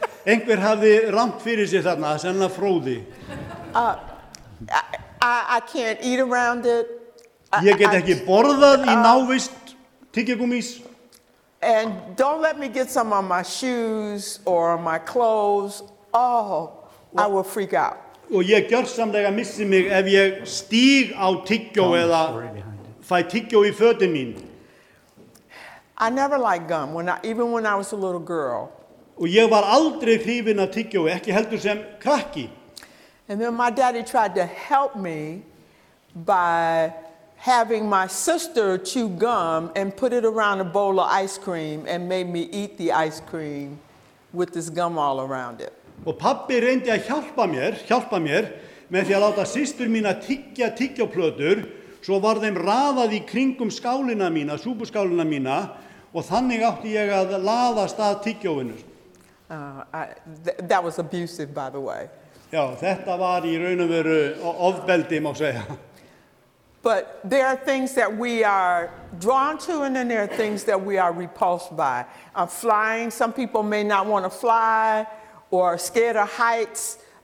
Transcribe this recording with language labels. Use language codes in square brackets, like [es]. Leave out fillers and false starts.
[is] Einhver hafði rangt fyrir sér þarna, sennan fróði. [en] I can't eat around it. [is] Ég get ekki borðað í návist tyggjagúmis. [en] And don't let me get some on my shoes or on my clothes. Oh, I will freak out. [is] Og ég gjörsamlega missi mig ef ég stíg á tyggjó eða fæ tyggjó í fötin mín. [en] I never liked gum, even when I was a little girl. [is] Og ég var aldrei hrifin af tyggjói, ekki heldur sem krakki. [en] And then my daddy tried to help me by having my sister chew gum and put it around a bowl of ice cream and made me eat the ice cream with this gum all around it. [is] Og pabbi reyndi að hjálpa mér, með því að láta systur mína tyggja tyggjóplötur, svo var þeim raðað í kringum skálina mína, súpuskálina mína, og þannig átti ég að laðast að tyggjóinu. [en] That was abusive, by the way. [is] Já, þetta var í raun og veru ofbeldi, má segja. [en] But there are things that we are drawn to and then there are things that we are repulsed by. Flying, some people may not want to fly or scared of heights.